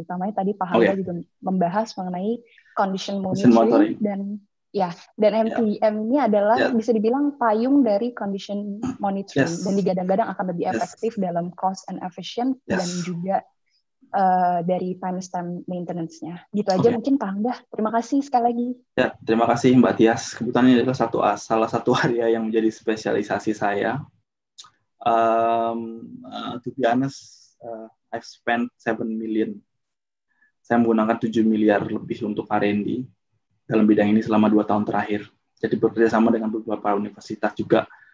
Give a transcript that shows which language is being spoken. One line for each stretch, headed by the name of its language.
Indonesian: Utamanya tadi Pak Hangga juga membahas mengenai condition monitoring dan dan MTM ini adalah bisa dibilang payung dari condition monitoring dan digadang-gadang akan lebih efektif dalam cost and efficient dan juga dari timestamp maintenance-nya. Gitu aja mungkin Pak Hangga. Terima kasih sekali lagi. Ya, terima kasih Mbak Tias. Kebetulan ini adalah salah satu area yang menjadi spesialisasi saya.
English: To be honest, I've spent 7 million.
Indonesian: Saya menggunakan 7 miliar lebih untuk R&D dalam bidang ini selama 2 tahun terakhir. Jadi bekerja sama dengan beberapa universitas juga.